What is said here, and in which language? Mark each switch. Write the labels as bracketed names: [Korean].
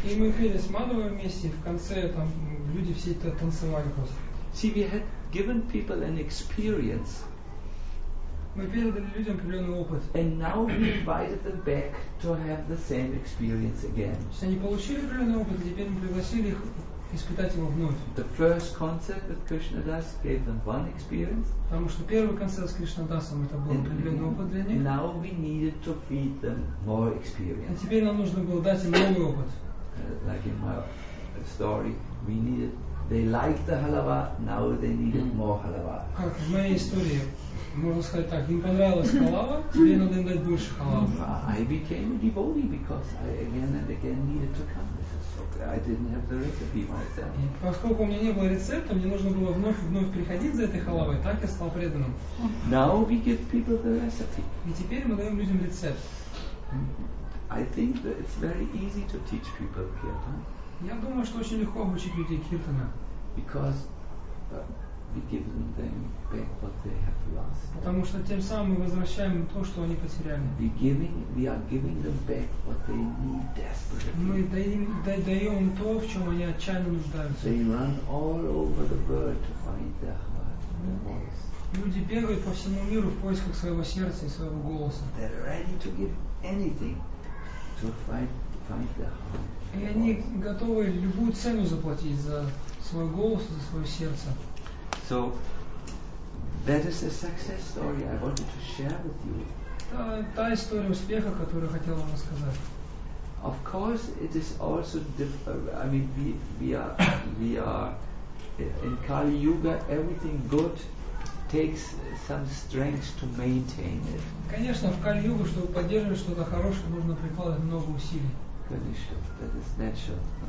[Russian] И мы пели с Мадхавой вместе, в конце там люди все это танцевали просто. [English] See, we had given people an experience. [Russian] Мы передали людям определенный опыт. [English] And now we invited them back to have the same experience again. [Russian] Они получили определенный опыт, и теперь мы пригласили их испытать его вновь. [English] The first concert with Krishna Das gave them one experience. [Russian] Потому что первый концерт с Кришна Дасом это был определенный опыт для них. [English] Now we needed to feed them more experience. [Russian] А теперь нам нужно было дать им новый опыт. [English] Like in my story, we needed. They liked the halava. Now they needed more halava. [Russian] Как в моей истории. Можно сказать так, им понравилась халава, тебе надо им дать больше халавы. [English] I became a devotee because I again and again needed to come. This is so good. I didn't have the recipe myself. [Russian] И поскольку у меня не было рецепта, мне нужно было вновь приходить за этой халавой, так я стал преданным. [English] Now we give people the recipe. [Russian] И теперь мы даем людям рецепт. [English] I think that it's very easy to teach people kirtan. [Russian] Я думаю, что очень легко обучить людей киртана. [English] Because we give them back what they have lost. [Russian] Потому что тем самым мы возвращаем то, что они потеряли. [English] We are giving them back what they need desperately. [Russian] Мы даем то, в чем они отчаянно нуждаются. [English] They run all over the world to find their heart, their voice. [Russian] Люди бегают по всему миру в поисках своего сердца и своего голоса. [English] They're ready to give anything to find their heart. [Russian] И они готовы любую цену заплатить за свой голос, за свое сердце. [English] So that is a success story I wanted to share with you. [Russian] Та история успеха, которую хотел вам рассказать. [English] Of course, it is also different. I mean, we are in Kali Yuga. Everything good takes some strength to maintain it. [Russian] Конечно, в Кали Юге, чтобы поддерживать что-то хорошее, нужно прикладывать много усилий. Конечно, [English] that is natural.